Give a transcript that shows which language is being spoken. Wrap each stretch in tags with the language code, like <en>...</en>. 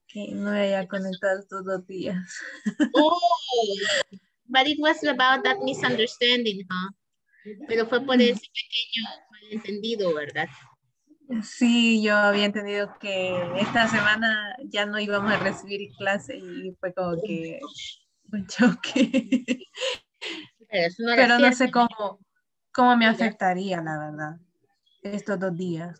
<es>Que no me había conectado todos los días.</es> <en>Oh, but it was about that misunderstanding, huh?</en> <es>Pero fue por ese pequeño malentendido, ¿verdad? Sí, yo había entendido que esta semana ya no íbamos a recibir clase y fue como que un choque. Pero no sé cómo me afectaría, la verdad, estos dos días.</es>